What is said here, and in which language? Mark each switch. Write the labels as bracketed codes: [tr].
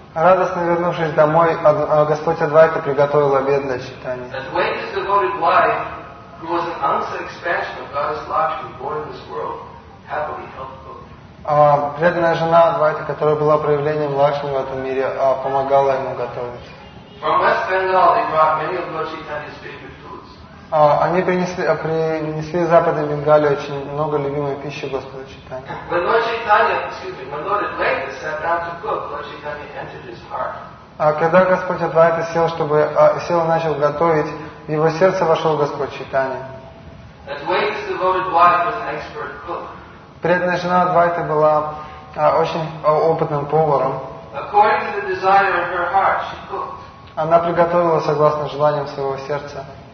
[ru] Радостно вернувшись домой, Господь Адвайта приготовил обед для Чайтани. [en] As Wait is devoted wife, who was an unsexed expansion of Goddess Lakshmi born in this world, happily helped cook. [ru] Преданная жена Адвайта, которая была проявлением Лакшми в этом мире, помогала ему готовить. [en] From West Bengal, they brought many of Lord Chaitanya's favorite foods. [ru] Они принесли из Западной Бенгалии очень много любимой пищи Господа Чайтани. [en] When Lord Chaitanya, when Lord Advaita sat down to cook, Lord Chaitanya entered his heart. [ru] Когда Господь Адвайта сел и начал готовить, в его сердце вошел Господь Чайтани. [en] Advaita's devoted wife was an expert cook. [ru] Преданная жена Адвайты была очень опытным поваром. [en] According to the desire of her heart, she cooked. [ru] Она приготовила согласно желаниям своего сердца.